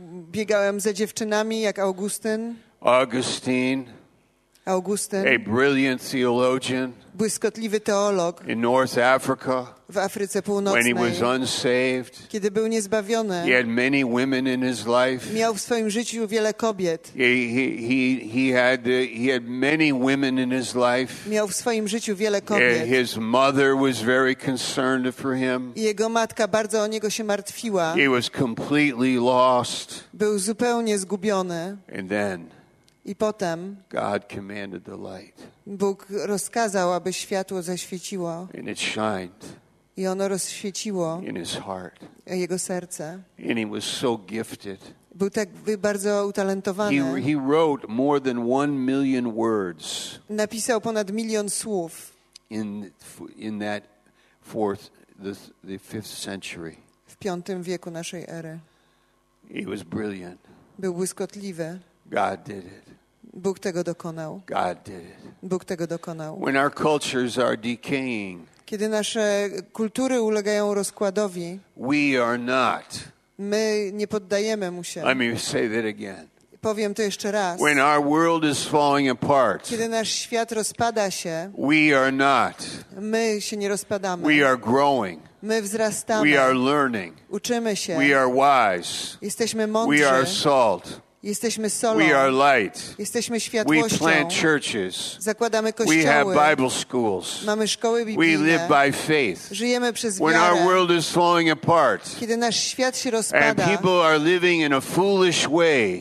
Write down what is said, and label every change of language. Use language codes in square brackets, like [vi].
[pl] Biegałem ze dziewczynami jak Augustyn. [en] Augustine. [pl] Augustyn, [en] a brilliant theologian, [pl] błyskotliwy teolog, [en] in North Africa, [pl] w Afryce Północnej, [en] when he was unsaved, [pl] kiedy był niezbawiony, [en] he had many women in his life, [pl] miał w swoim życiu wiele kobiet, [en] he had many women in his life, [pl] miał w swoim życiu wiele kobiet, [en] his mother was very concerned for him, [pl] jego matka bardzo o niego się martwiła, [en] he was completely lost, [pl] był zupełnie zgubiony, [en] and then. [pl] I potem [en] God commanded the light. [pl] Bóg rozkazał, aby światło zaświeciło. [en] And it shined. [pl] I ono rozświeciło. [en] In his heart. [pl] Jego serce. [en] And he was so gifted. [pl] Był tak bardzo utalentowany. [en] He wrote more than 1 million words. [pl] Napisał ponad milion słów. [en] In that fourth, the fifth century. [pl] W piątym wieku naszej ery. [en] He was brilliant. [pl] Był błyskotliwy. [en] God did it. [pl] Bóg tego dokonał. [en] God did it. [pl] Bóg tego dokonał. [en] When our cultures are decaying, [pl] kiedy nasze kultury ulegają rozkładowi, [en] we are not. [pl] My nie poddajemy mu się. [en] Let me say that again. [pl] Powiem to jeszcze raz. [en] When our world is falling apart, [pl] kiedy nasz świat rozpada się, [en] we are not. [pl] My się nie rozpadamy. [en] We are growing. [pl] My wzrastamy. [en] We are learning. [pl] Uczymy się. [en] We are wise. [pl] Jesteśmy mądrzy. [en] We are salt. [pl] Jesteśmy solą. [en] We are light. [pl] Jesteśmy światłością. [en] We plant churches. [pl] Zakładamy kościoły. [en] We have Bible schools. [pl] Mamy szkoły biblijne. [en] We live by faith. [pl] Żyjemy przez wiarę. [en] When our world is falling apart. [pl] Kiedy nasz świat się rozpada. [en] And people are living in a foolish way.